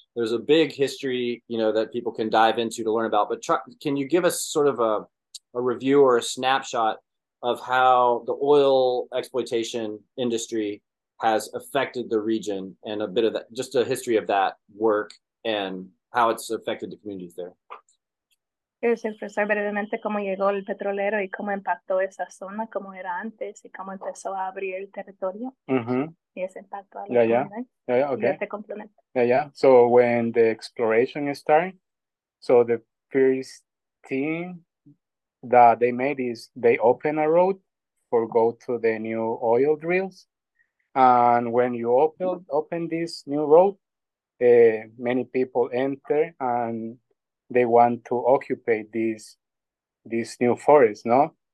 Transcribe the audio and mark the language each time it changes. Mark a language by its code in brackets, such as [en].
[en] There's a big history, that people can dive into to learn about. But can you give us sort of a review or a snapshot of how the oil exploitation industry has affected the region and a bit of that, just a history of that work and how it's affected the communities there? [es] Quieres expresar brevemente cómo llegó el petrolero y cómo impactó esa zona, cómo era antes y cómo empezó a abrir el territorio y ese impacto a las comunidades. Y yo te complemento. [en] So when the exploration started, so the first thing that they made is they open a road for go to the new oil drills. And when you open this new road, many people enter and they want to occupy this new forest, no?